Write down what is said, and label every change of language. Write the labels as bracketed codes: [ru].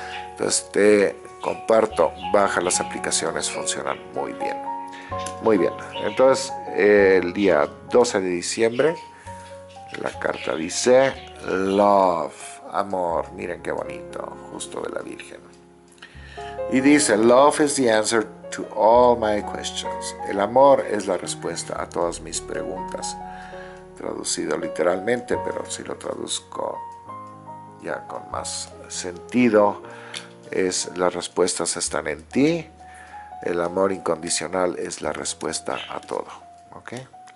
[es] Entonces te comparto, baja las aplicaciones, funcionan muy bien. Muy bien, entonces el día 12 de diciembre, la carta dice love, amor, miren qué bonito, justo de la Virgen. [en] Y dice, love is the answer to all my questions. [es] El amor es la respuesta a todas mis preguntas. Traducido literalmente, pero si lo traduzco ya con más sentido, es las respuestas están en ti. El amor incondicional es la respuesta a todo. ¿Okay?